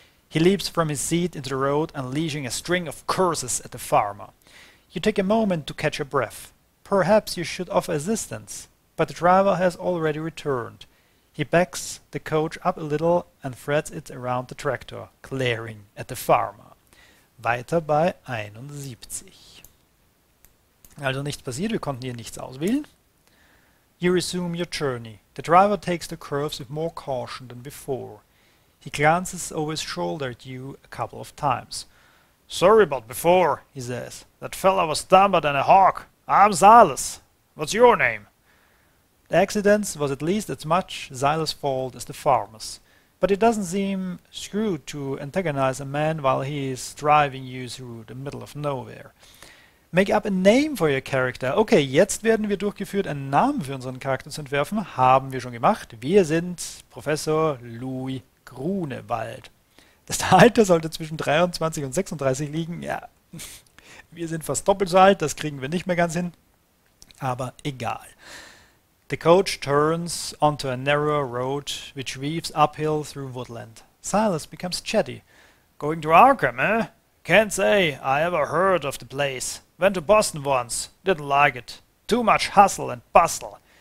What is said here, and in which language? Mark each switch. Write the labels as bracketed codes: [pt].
[en] He leaps from his seat into the road, unleashing a string of curses at the farmer. You take a moment to catch your breath. Perhaps you should offer assistance, but the driver has already returned. He backs the coach up a little and threads it around the tractor, glaring at the farmer. [de] Weiter bei 71. Also nichts passiert, wir konnten hier nichts auswählen. [en] You resume your journey. The driver takes the curves with more caution than before. He glances over his shoulder at you a couple of times. Sorry about before, he says. That fella was dumber than a hawk. I'm Silas. What's your name? The accident was at least as much Silas' fault as the farmer's. But it doesn't seem shrewd to antagonize a man while he is driving you through the middle of nowhere. Make up a name for your character. [de] Okay, jetzt werden wir durchgeführt, einen Namen für unseren Charakter zu entwerfen. Haben wir schon gemacht. Wir sind Professor Louis Grunewald. Das Alter sollte zwischen 23 und 36 liegen. Ja, wir sind fast doppelt so alt, das kriegen wir nicht mehr ganz hin. Aber egal. [en] The coach turns onto a narrow road which weaves uphill through woodland. Silas becomes chatty. Going to Arkham, eh? Can't say I ever heard of the place. Went to Boston once. Didn't like it. Too much hustle and bustle.